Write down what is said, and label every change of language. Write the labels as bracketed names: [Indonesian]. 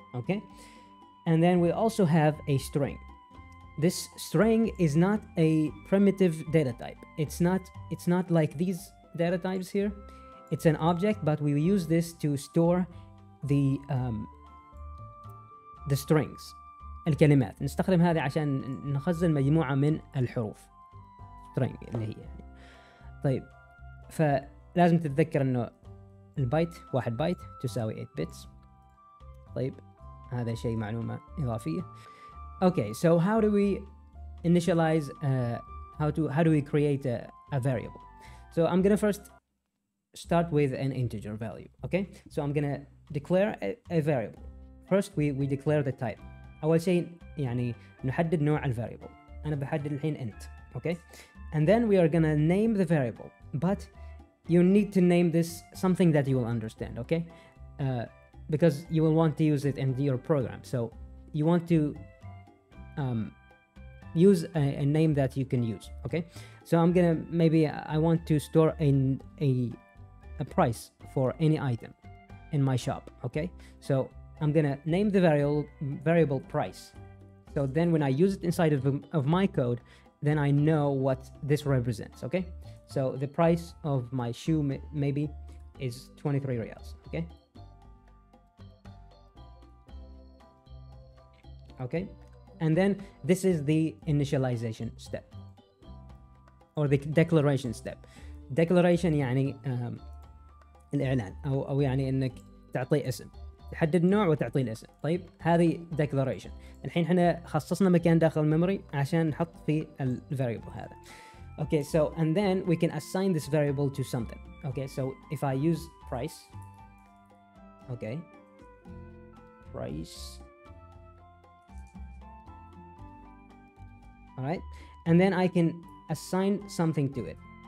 [English] Okay, and then we also have a string. This string is not a primitive data type. It's not like these data types here. It's an object, but we use this to store the strings, الكلمات. [Arabic] نستخدم هذا عشان نخزن مجموعة من الحروف. String اللي هي. طيب. فلازم تتذكر إنه البايت 1 byte تساوي 8 bits. طيب. هذا شيء معلومة إضافية. Okay. [English] So how do we initialize? How do we create a variable? So I'm gonna first start with an integer value. Okay. So I'm gonna declare a variable. First, we declare the type. [Arabic] أول شيء يعني نحدد نوع الـ variable. أنا بحدد الحين int. [English] Okay. And then we are gonna name the variable. But you need to name this something that you will understand. Okay. Because you will want to use it in your program. So you want to use a name that you can use. Okay. So I'm gonna maybe I want to store in a price for any item in my shop. Okay. So I'm gonna name the variable price. So then when I use it inside of my code, then I know what this represents. Okay. So the price of my shoe maybe is 23 reals. Okay. Okay. And then this is the initialization step or the declaration step. [Arabic] Declaration يعني الإعلان أو يعني إنك تعطي اسم، تحدد نوع وتعطي الاسم. طيب هذه declaration. الحين إحنا خصصنا مكان داخل الميموري عشان نحط فيه ال variable هذا. [English] Okay, so and then we can assign this variable to something. Okay, so if I use price. Okay. Price. All right, and then I can assign something to it.